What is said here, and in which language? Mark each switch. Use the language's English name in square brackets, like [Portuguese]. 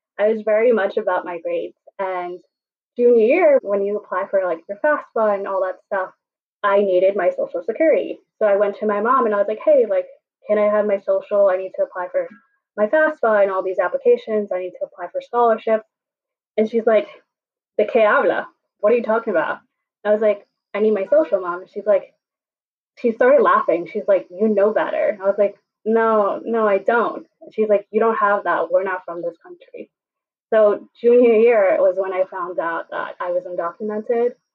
[English] I was very much about my grades. And junior year, when you apply for like your FAFSA and all that stuff, I needed my Social Security. So I went to my mom and I was like, hey, like, can I have my social? I need to apply for my FAFSA and all these applications. I need to apply for scholarships. And she's like, [Spanish] ¿de qué habla? [English] What are you talking about? I was like, I need my social, mom. And she's like, she started laughing. She's like, you know better. I was like, no, I don't. And she's like, you don't have that. We're not from this country. So junior year was when I found out that I was undocumented.